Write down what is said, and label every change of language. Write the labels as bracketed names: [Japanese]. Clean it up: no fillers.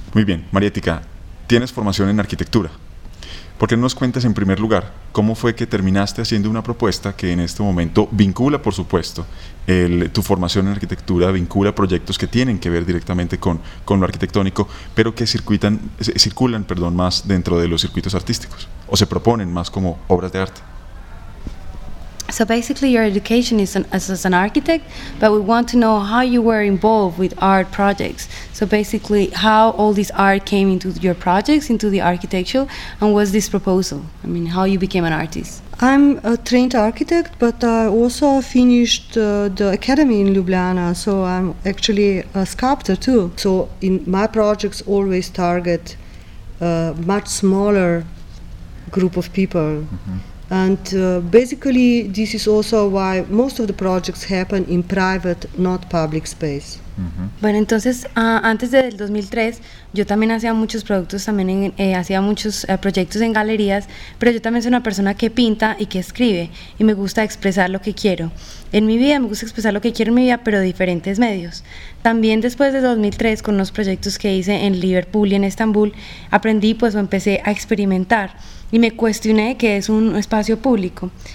[Spanish] Muy bien, María Etica, tienes formación en arquitectura. ¿Por qué no nos cuentas en primer lugar cómo fue que terminaste haciendo una propuesta que en este momento vincula, por supuesto, tu formación en arquitectura, vincula proyectos que tienen que ver directamente con lo arquitectónico, pero que circulan más dentro de los circuitos artísticos, o se proponen más como obras de arte? [English] So basically your education is as an architect, but we want to know how you were involved with art projects. So basically, how all this art came into your projects, into the architecture, and what's this proposal? I mean, how you became an artist? I'm a trained architect, but I also finished the academy in Ljubljana, so I'm actually a sculptor too. So in my projects always target a much smaller group of people. Mm-hmm. And basically, this is also why most of the projects happen in private, not public space. Mm-hmm. [Spanish] Bueno, entonces, antes del 2003, yo también hacía muchos productos, también hacía muchos proyectos en galerías, pero yo también soy una persona que pinta y que escribe, y me gusta expresar lo que quiero. En mi vida, me gusta expresar lo que quiero en mi vida, pero de diferentes medios. También después de 2003, con unos proyectos que hice en Liverpool y en Estambul, aprendí, pues, o empecé a experimentar, y me cuestioné que es un espacio público.